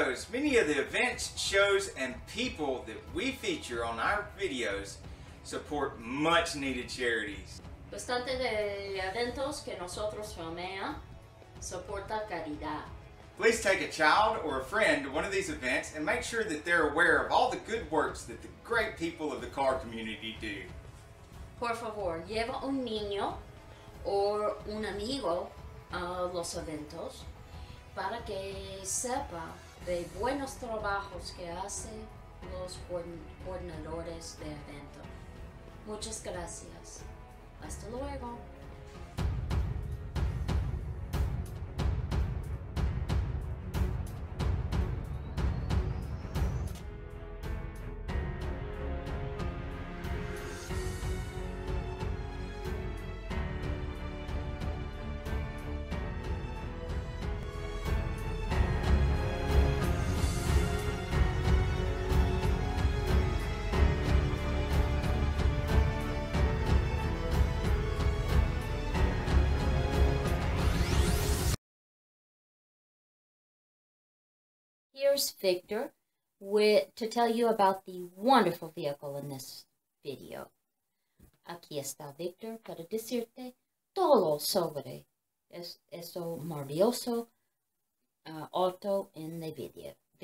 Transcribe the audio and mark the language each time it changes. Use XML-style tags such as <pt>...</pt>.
<en>Many of the events, shows, and people that we feature on our videos support much needed charities.</en> <es>Bastante de eventos que nosotros filmamos soporta caridad.</es> <en>Please take a child or a friend to one of these events and make sure that they're aware of all the good works that the great people of the car community do.</en> <es>Por favor, lleva un niño o un amigo a los eventos para que sepa de buenos trabajos que hacen los coordinadores de evento. Muchas gracias. Hasta luego.</es> <en>Here's Victor to tell you about the wonderful vehicle in this video.</en> <es>Aquí está Victor para decirte todo sobre eso maravilloso auto en el video.</es>